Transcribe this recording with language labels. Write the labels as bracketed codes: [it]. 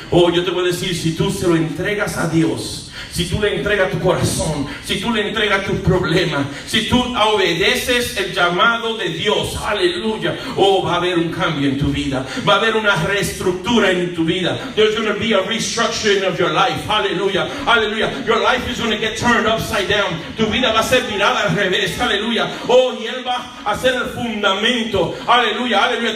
[es] Oh, yo te voy a decir, si tú se lo entregas a Dios, si tú le entregas tu corazón, si tú le entregas tus problemas, si tú obedeces el llamado de Dios, aleluya, oh, va a haber un cambio en tu vida, va a haber una reestructura en tu vida. [en] There's going to be a restructuring of your life, aleluya, aleluya. Your life is going to get turned upside down. [es] Tu vida va a ser mirada al revés, aleluya. Oh, y Él va a ser el fundamento, aleluya, aleluya.